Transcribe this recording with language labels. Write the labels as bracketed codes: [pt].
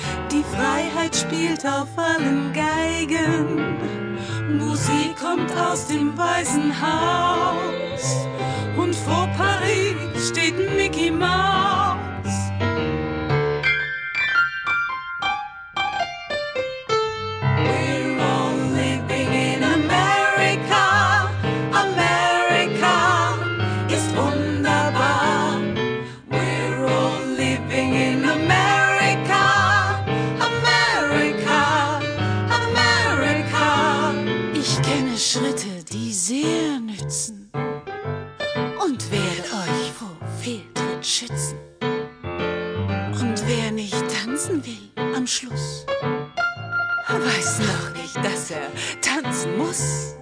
[de] Die Freiheit spielt auf allen Geigen. Musik kommt aus dem Weißen Haus. Und vor Paris steht Mickey Mouse. [en] We're all living in America. [de] America ist wunderbar. [en] We're all living in America. America, America. [de] Ich kenne Schritte, die sehr nützen. Und werde euch vor Fehltritt schützen. Und wer nicht tanzen will am Schluss, weiß noch nicht, dass er tanzen muss.